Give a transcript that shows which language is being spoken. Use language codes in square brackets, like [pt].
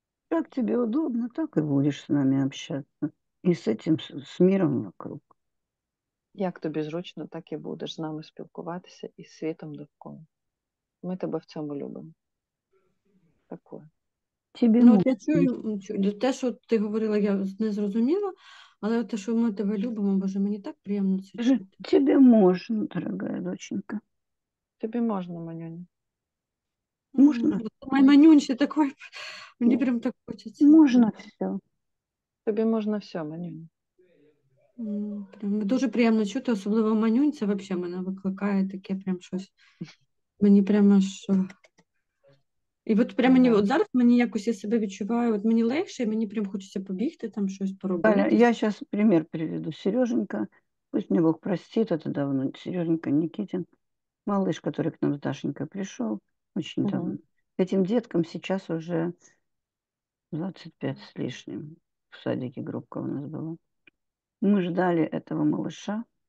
[ru] Как тебе удобно, так и будешь с нами общаться. И с этим, с миром вокруг. [uk] Як тобі зручно, так и [ru] будешь с нами [uk] спілкуватися и с світом довкола. [ru] Мы тебя [uk] в цьому [ru] любим. Такое. [uk] Тебе, ну, я чую, те, що ти говорила, я не зрозуміла, але те, що ми тебе любимо, Боже, мені так приємно це чути. Тебе можна, [ru] дорогая доченька. [uk] Тебе можна, Манюня. Можна. Маймонюн ще такий. Мені прям так хочеться. Можна все. Тобі можна все, Манюня. Прям, дуже приємно чути, особливо манюнця, взагалі мене викликає таке прям щось. Мені прямо що. І от прямо мені, от зараз мені якось я себе відчуваю, от мені легше, мені прям хочеться побігти, там щось поробити. Аля, я зараз примір приведу. [ru] Сереженька, пусть мне Бог простит, это давно. Сереженька Никитин, малыш, который к нам с Дашенькой пришел, очень давно. Этим деткам сейчас уже 25 с лишним. В садике группка у нас была. Мы ждали этого малыша.